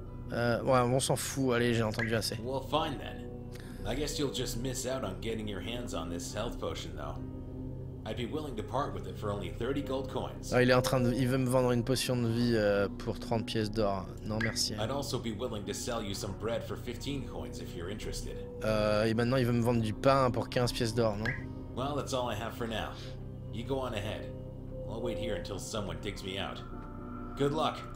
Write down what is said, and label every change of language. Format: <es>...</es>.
<fr>ouais, on s'en fout, allez, j'ai entendu assez.</fr> <en>Well, fine then. I guess you'll just miss out on getting your hands on this health potion, though. I'd be willing to part with it for only 30 gold coins.</en> <fr>Ah, il veut me vendre une potion de vie pour 30 pièces d'or. Non, merci.</fr> <en>I'd also be willing to sell you some bread for 15 coins if you're interested.</en> <fr>Et maintenant, il veut me vendre du pain pour 15 pièces d'or, non?</fr> <en>Well, that's all I have for now. You go on ahead. I'll wait here until someone digs me out. Good luck.</en>